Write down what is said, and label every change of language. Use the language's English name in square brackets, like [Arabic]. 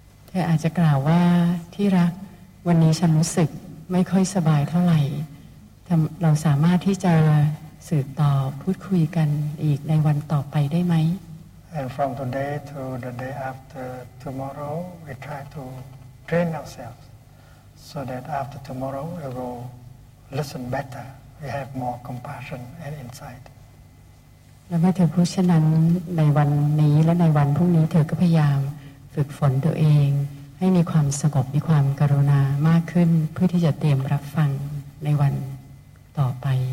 [Thai] ท่านอาจจะกล่าวว่าที่รักวันนี้ฉันรู้สึกไม่ค่อยสบายเท่าไหร่เราสามารถที่จะสืบต่อพูดคุยกันอีกในวันต่อไปได้ไหม [English] And from today to the day after tomorrow we try to train ourselves so that after tomorrow we will listen better we have more compassion and insight [Thai] และเมื่อเธอพูดฉะนั้นในวันนี้และในวันพรุ่งนี้เธอก็พยายามฝึกฝนตัวเองให้มีความสงบมีความกรุณามากขึ้นเพื่อที่จะเตรียมรับฟังในวันต่อไป